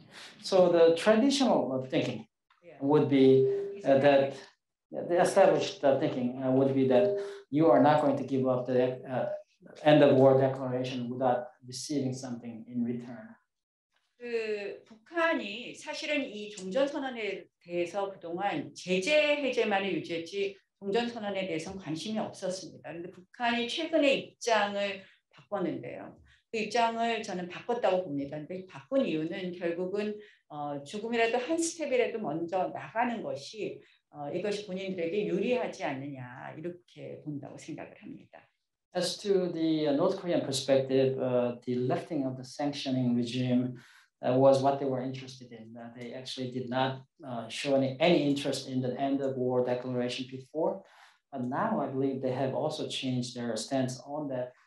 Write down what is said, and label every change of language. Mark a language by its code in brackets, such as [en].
[en] okay. So the traditional thinking would be that the established thinking would be that you are not going to give up the end of war declaration without receiving something in return. [ko] 그 북한이 사실은 이 종전선언에 대해서 그동안 제재 해제만을 유지했지 종전선언에 대해서는 관심이 없었습니다. 그런데 북한이 최근에 입장을 바꿨는데요. 그 입장을 저는 바꿨다고 봅니다. 근데 바꾼 이유는 결국은 조금이라도 한 스텝이라도 먼저 나가는 것이 이것이 본인들에게 유리하지 않느냐 이렇게 본다고 생각을 합니다. [en] As to the North Korean perspective, the lifting of the sanctioning regime was what they were interested in. They actually did not show any interest in the end of war declaration before. But now I believe they have also changed their stance on that.